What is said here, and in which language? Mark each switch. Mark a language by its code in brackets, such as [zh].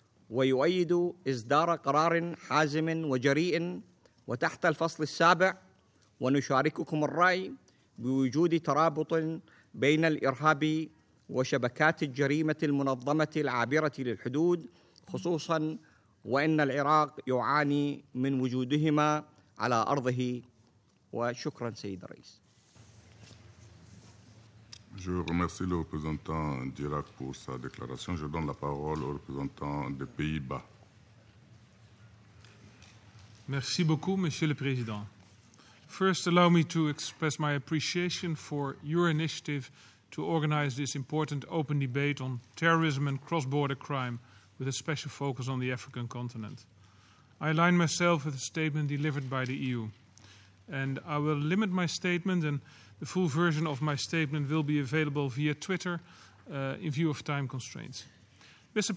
[ar] ويؤيد إصدار قرار حازم وجريء وتحت الفصل السابع، ونشارككم الرأي بوجود ترابط بين الإرهابي وشبكات الجريمة المنظمة العابرة للحدود خصوصاً، وإن العراق يعاني من وجودهما على أرضه. وشكراً سيد الرئيس. [fr] Je remercie le représentant d'Irak pour sa déclaration. Je donne la parole au représentant des Pays-Bas. Merci beaucoup, Monsieur le Président. [en] First, allow me to express my appreciation for your initiative to organize this important open debate on terrorism and cross-border crime with a special focus on the African continent. I align myself with the statement delivered by the EU, and I will limit my statement, and the full version of my statement will be available via Twitter in view of time constraints. Mr.